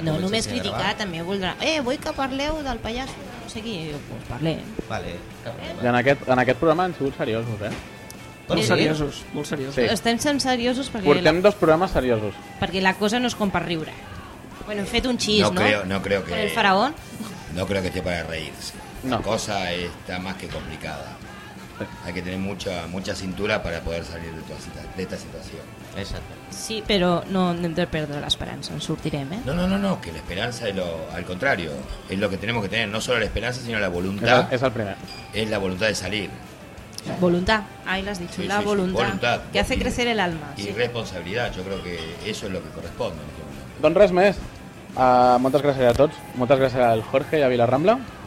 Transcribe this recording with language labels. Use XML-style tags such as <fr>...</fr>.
<ca>no, només criticar, també voldrà... vull que parleu del pallàs, no sé qui, doncs parlem. Vale, I en aquest programa han sigut seriosos, eh? Molt seriosos. Sí. Estem sent seriosos perquè... Portem dos programes seriosos. Perquè la cosa no és com per riure. Bueno, hem fet un xis, no?</ca> <es>No creo que... Con el faraón. No creo que esté para reírse. No. La cosa está más que complicada. Hay que tener mucha cintura para poder salir de esta situación. Exacto.</es> <ca>Sí, pero no hem de perdre l'esperança, en sortirem, ¿eh?</ca> <es>No, que la esperanza es lo al contrario, es lo que tenemos que tener, no solo la esperanza, sino la voluntad. Es el primer. Es la voluntad de salir. Voluntad, ahí lo has dicho, sí, la voluntad, voluntad que hace crecer el alma. Y responsabilidad, yo creo que eso es lo que corresponde.</es> <ca>Don Resmes, moltes gràcies a tots, moltes gràcies al Jorge i a Vilarrambla.</ca>